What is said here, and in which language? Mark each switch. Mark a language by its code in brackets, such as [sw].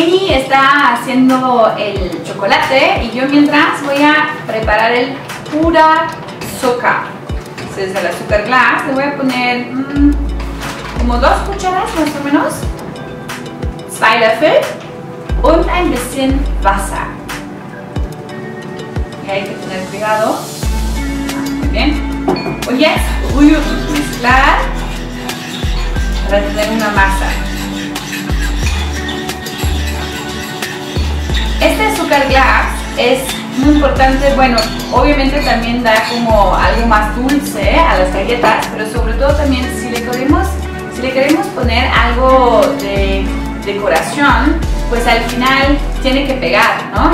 [es] está haciendo el chocolate y yo mientras voy a preparar el pura azúcar. Es el azúcar glass. Le voy a poner como 2 cucharadas más o menos. [de] 2 Löffel und ein bisschen Wasser. [es] Okay, hay que tener cuidado. Bien. [de] Und jetzt rühren [es] y mezclar para tener una masa. Este azúcar glass es muy importante, bueno, obviamente también da como algo más dulce a las galletas, pero sobre todo también si le queremos poner algo de decoración, pues al final tiene que pegar, ¿no?